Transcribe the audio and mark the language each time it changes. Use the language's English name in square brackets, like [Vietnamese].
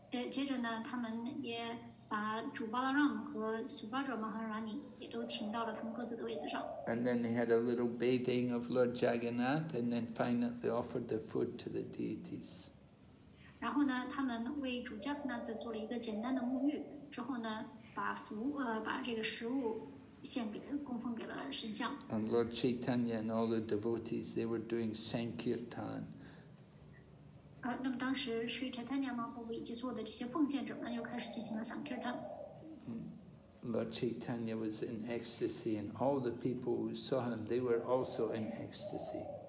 [Chinese] 接着呢，他们也把主巴拉让和苏巴卓马哈拉尼也都请到了他们各自的位置上。 [English] And then they had a little bathing of Lord Jagannath, and then finally offered the food to the deities. [Chinese] 然后呢，他们为主迦那的做了一个简单的沐浴，之后呢，把这个食物献给供奉给了神像。 [English] And Lord Chaitanya and all the devotees, they were doing sankirtan. [Chinese] 那么当时 Sri Chaitanya Mahaprabhu 以及所有的这些奉献者呢，又开始进行了 Sankirtan。 [English] Lord Chaitanya was in ecstasy, and all the people who saw him, they were also in ecstasy.